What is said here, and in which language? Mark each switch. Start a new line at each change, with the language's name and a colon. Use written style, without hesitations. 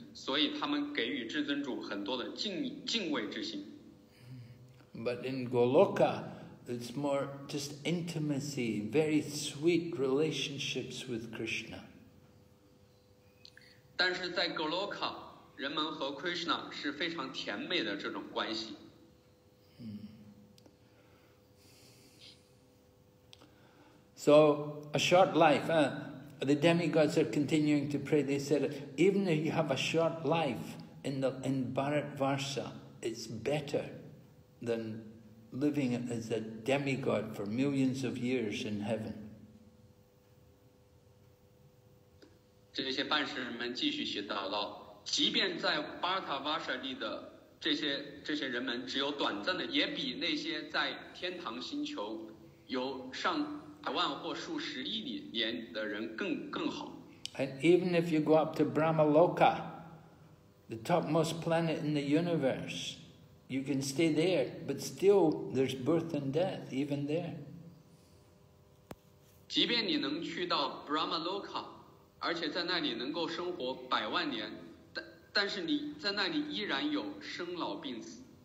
Chinese: 所以他们给予至尊主很多的敬畏之心。
English: But in Goloka, it's more just intimacy, very sweet relationships with Krishna.
Chinese: 但是在 Goloka, 人们和 Krishna 是非常甜美的这种关系。
English: So, a short life, huh? The demigods are continuing to pray. They said, even if you have a short life in Bharatvarsha, it's better than living as a demigod for millions of years in heaven.
Chinese: 这些半神人们继续写道道，即便在 Bharatvarsha 里的这些人们只有短暂的，也比那些在天堂星球有上百万或数十亿里年的人更好。
English: And even if you go up to Brahmaloka, the topmost planet in the universe, you can stay there, but still there's birth and death even there.
Chinese: 即便你能去到 Brahmaloka, 而且在那里能够生活百万年，但是你在那里依然有生老病死。